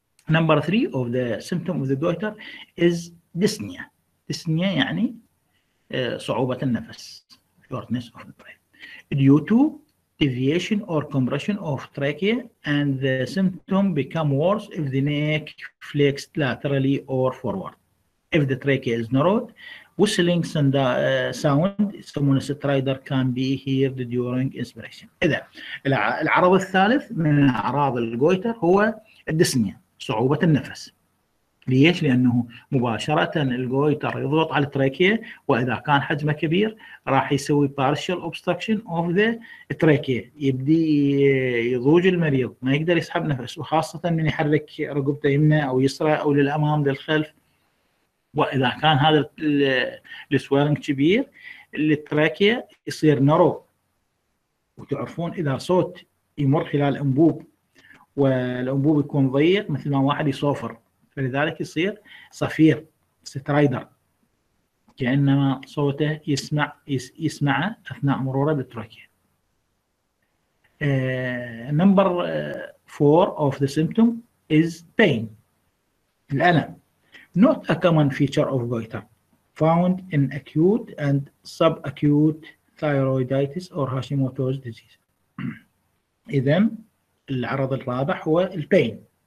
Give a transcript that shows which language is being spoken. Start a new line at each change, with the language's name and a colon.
English: Number 3 of the symptom of the goiter is dyspnea.
Arabic: dyspnea يعني صعوبة النفس.
English: shortness of the breath. due to deviation or compression of trachea and the symptom become worse if the neck flexed laterally or forward. if the trachea is narrowed whistling and sound
Arabic: يسمونه
English: Stridor can be heard during inspiration.
Arabic: إذا العرض الثالث من أعراض الجويتر هو الدسنية، صعوبة النفس. ليش؟ لأنه مباشرة الجويتر يضغط على التراكية، وإذا كان حجمه كبير راح يسوي
English: partial obstruction of the trachea،
Arabic: يبدي يضوج المريض ما يقدر يسحب نفس، وخاصة من يحرك رقبته يمنى أو يسرى أو للأمام للخلف. وإذا كان هذا السويرنج كبير التراكيا يصير نرو، وتعرفون إذا صوت يمر خلال الأنبوب والأنبوب يكون ضيق مثل ما واحد يصوفر، فلذلك يصير صفير سترايدر كأنما صوته يسمع أثناء مروره بالتراكيا.
English: number 4 of the symptom is pain،
Arabic: الألم.
English: Not a common feature of goiter, found in acute and subacute thyroiditis or Hashimoto's disease.
Arabic: إذن العرض الرابع هو البين.